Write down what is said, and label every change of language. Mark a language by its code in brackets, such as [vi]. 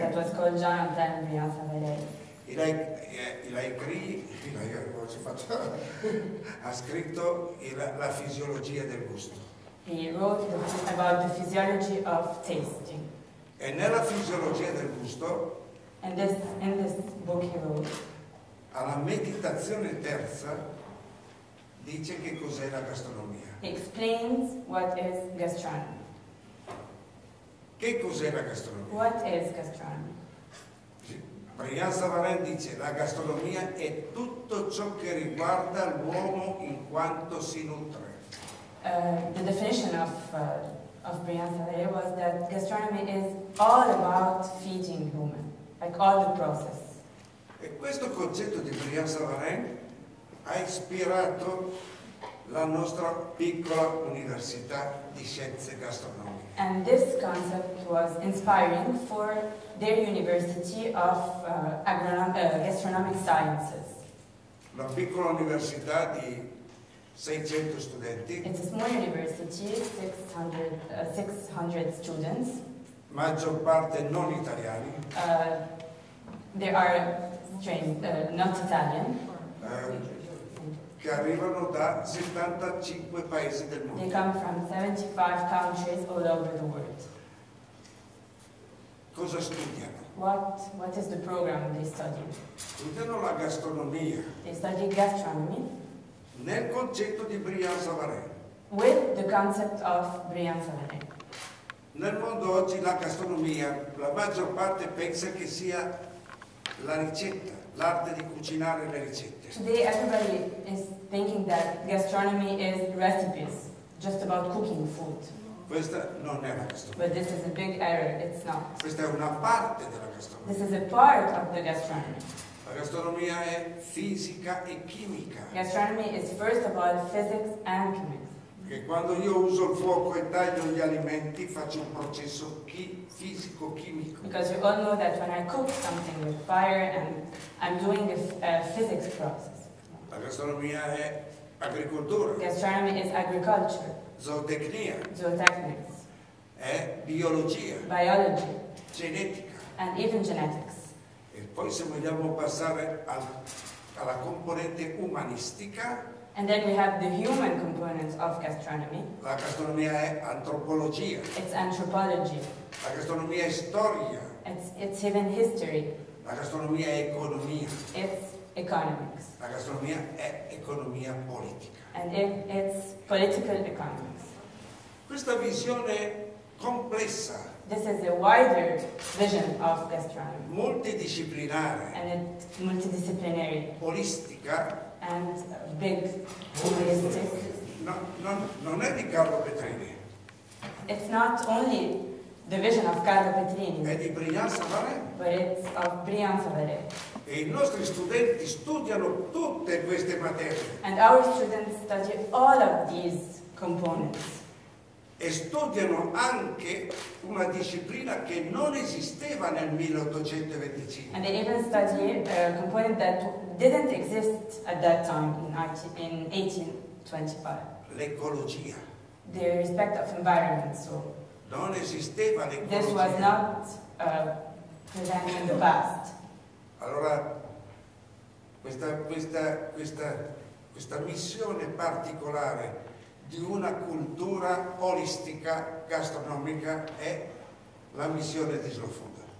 [en] that was called He wrote about the physiology of tasting. [it] E nella fisiologia del gusto, [en] in this book he wrote, [it] alla meditazione terza dice che cos'è la gastronomia. [en] Explains what is gastronomy. [it] Che cos'è la gastronomia? [en] What is gastronomy? [it] Brillant Savarin dice la gastronomia è tutto ciò che riguarda l'uomo in quanto si nutre. [en] The definition of Brillant Savarin was that gastronomy is all about feeding human, like all the process. [it] E questo concetto di Brillant Savarin ha ispirato la nostra piccola università di scienze gastronomiche. [en] And this concept was inspiring for their university of gastronomic sciences. [it] La piccola università di 600 studenti. [en] It's a small university, 600 students. [it] Maggior parte non italiani. [en] They are trained, not Italian. [it] Che arrivano da 75 paesi del mondo. [en] They come from 75 countries all over the world. [it] Cosa studiano? [en] What is the program they study? [it] Studiano la gastronomia. [en] They study gastronomy. [it] Nel concetto di Brillant Savarin. [en] With the concept of Brillant Savarin. [it] Nel mondo oggi la gastronomia, la maggior parte pensa che sia la ricetta, l'arte di cucinare le ricette. [en] Today everybody is thinking that gastronomy is recipes, just about cooking food. [it] Questa non è la gastronomia. [en] But this is a big error, it's not. [it] Questa è una parte della gastronomia. [en] This is a part of the gastronomy. [it] La gastronomia è fisica e chimica. [en] Gastronomy is first of all physics and chemistry. [it] Che quando io uso il fuoco e taglio gli alimenti faccio un processo fisico-chimico. [en] Because you all know that when I cook something with fire and I'm doing a physics process. [it] La gastronomia è agricoltura. [en] Gastronomy is agriculture. [it] Zootecnia. [en] Zootechnics. [it] È biologia. [en] Biology. [it] Genetica. [en] And even genetics. [it] E poi se vogliamo passare alla componente umanistica. [en] And then we have the human components of gastronomy. [it] La gastronomia è antropologia. [en] It's anthropology. [it] La gastronomia è storia. [en] It's even history. [it] La gastronomia è economia. [en] It's economics. [it] La gastronomia è economia politica. [en] And it's political economics. [it] Questa visione complessa. [en] This is a wider vision of gastronomy. [it] Multidisciplinare. [en] And it's multidisciplinary. [it] Olistica. [en] And big, holistic. [it] No, non è di Carlo Petrini. [en] It's not only the vision of Carlo Petrini. [it] È di Brillant Savarin. [en] But it's of Brillant Savarin. [it] E i nostri studenti studiano tutte queste materie. [en] And our students study all of these components. [it] E studiano anche una disciplina che non esisteva nel 1825. [en] And they even study a component that didn't exist at that time in 1825. [it] L'ecologia. [en] The respect of environment, so. [it] Non esisteva l'ecologia. [en] This was not present in the past. [it] Allora, questa missione particolare di una cultura olistica gastronomica è la missione di Slow Food.